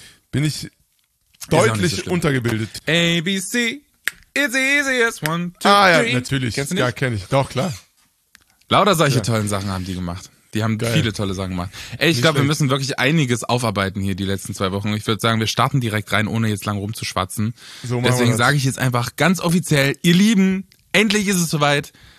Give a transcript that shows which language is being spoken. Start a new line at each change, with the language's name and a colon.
German: Bin ich deutlich untergebildet.
English: A, B, C, it's the easiest one, two, three.
German: Ah ja, natürlich. Kennst du nicht? Ja, kenn ich. Doch, klar. Lauter solche tollen Sachen haben die gemacht. Die haben viele tolle Sachen gemacht. Ey, ich glaube, wir müssen wirklich einiges aufarbeiten hier die letzten zwei Wochen. Ich würde sagen, wir starten direkt rein, ohne jetzt lang rumzuschwatzen. So, deswegen sage ich jetzt einfach ganz offiziell, ihr Lieben, endlich ist es soweit.